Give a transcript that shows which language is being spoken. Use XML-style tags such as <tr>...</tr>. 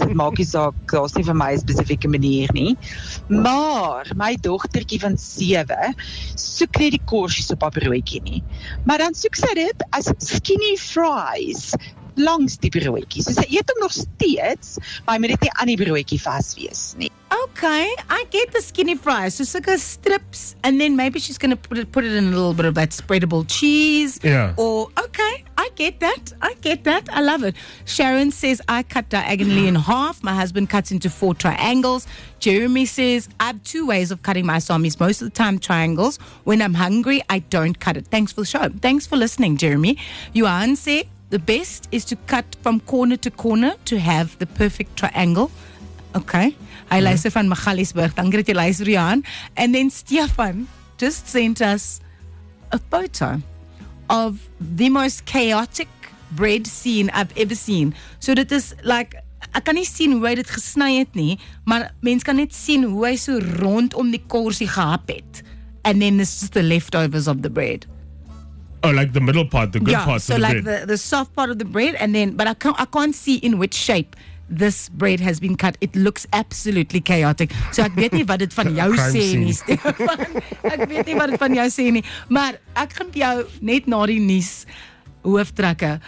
<af>Dit maak nie saak, daar's nie vir my 'n spesifieke manier nie. Maar my dogtertjie van 7 soek nie die korsies op haar broodjie nie. Maar dan soek sy dit as skinny fries langs die broodjie. So sy eet hom nog steeds, maar hy moet dit nie aan die broodjie vas wees nie.</af> <en>Okay, I get the skinny fries. So sukker strips, and then maybe she's going to put it in a little bit of that spreadable cheese. Yeah. Or, okay, I get that. I love it. Sharon says, I cut diagonally in half. My husband cuts into four triangles. Jeremy says, I have two ways of cutting my sammies. Most of the time, triangles. When I'm hungry, I don't cut it. Thanks for the show. Thanks for listening, Jeremy. Yuan says, The best is to cut from corner to corner to have the perfect triangle. Okay.</en> <af>Hy luister van Magaliesburg. Dankie dat jy luister,</af> <en>Jan. And then Stefan just sent us a photo of the most chaotic bread scene I've ever seen.</en> <af>So dit is like, ek kan nie sien hoe hy dit gesny het nie, maar mens kan net sien hoe hy so rondom die korsie gehap het.</af> <en>And then it's just the leftovers of the bread. Oh, like the middle part, the good part of the like Yeah, so like the soft part of the bread, and then, but I can't see in which shape this bread has been cut. It looks absolutely chaotic.</en> <af>So ek weet nie wat dit van jou sê nie, Stefan. Ek weet nie wat dit van jou sê nie. Maar ek gaan jou net na die nuus hooftrekke.</af>